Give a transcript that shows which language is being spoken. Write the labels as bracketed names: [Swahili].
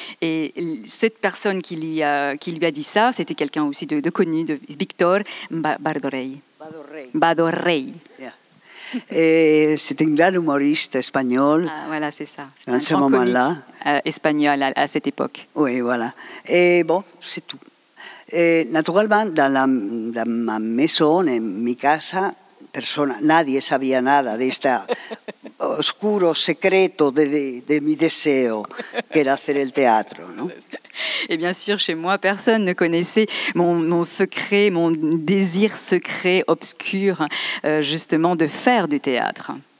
[French] Et cette personne qui lui a dit ça, c'était quelqu'un aussi de connu, de Victor Bardorey. Vado Rey. C'est un grand humoriste espagnol. Ah, voilà, c'est ça. Dans ce moment-là. Espagnol à cette époque. Oui, voilà. Et bon, c'est tout. Naturellement, dans ma maison, [Spanish] en mi casa, personne, nadie sabía nada de este oscuro secreto de mi deseo, que era hacer el teatro, ¿no? [French] Et bien sûr, chez moi, personne ne connaissait mon secret, mon désir secret, obscur, justement, de faire du théâtre.